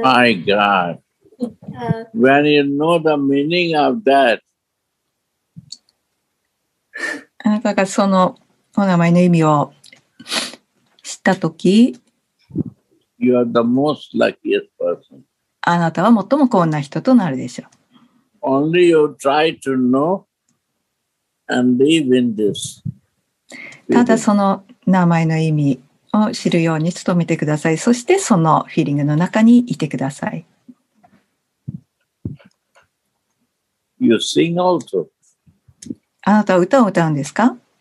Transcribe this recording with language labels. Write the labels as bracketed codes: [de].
[en] my God, when you know the meaning of that, [ja] あなたがそのお名前の意味を知ったとき、 [en] you are the most luckiest person. [ja] あなたは最も幸運な人となるでしょう。 [en] Only you try to know and live in this. [ja] ただその名前の意味を知るように努めてください。そしてそのフィーリングの中にいてください。 [en] You sing also. [ja] あなたは歌を歌うんですか?